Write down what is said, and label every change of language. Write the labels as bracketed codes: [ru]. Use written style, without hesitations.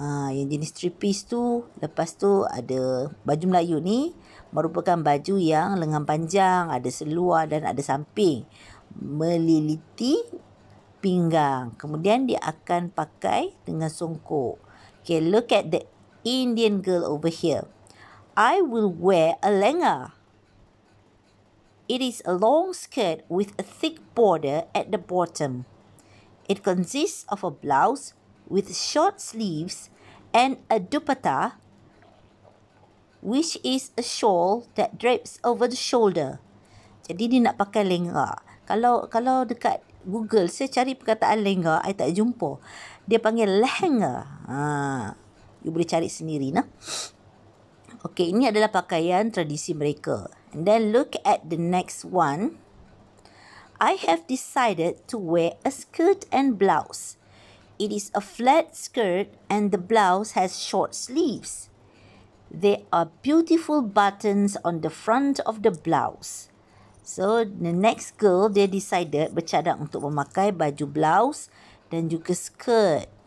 [ms] Yang jenis three piece tu, lepas tu ada baju Melayu ni merupakan baju yang lengan panjang, ada seluar dan ada samping meliliti pinggang. Kemudian dia akan pakai dengan songkok. [en] Okay, look at the Indian girl over here. I will wear a lehenga. It is a long skirt with a thick border at the bottom. It consists of a blouse with short sleeves and a dupatta, which is a shawl that drapes over the shoulder. [ms] Jadi dia nak pakai lenga. Kalau dekat Google, saya cari perkataan lenga, saya tak jumpa. Dia panggil lehenga. You boleh cari sendiri, nah. Okay, ini adalah pakaian tradisi mereka. [en] And then look at the next one. I have decided to wear a skirt and blouse. It is a flat skirt and the blouse has short sleeves. There are beautiful buttons on the front of the blouse. So, the next girl, [ms] dia decided bercadang untuk memakai baju blouse dan juga skirt.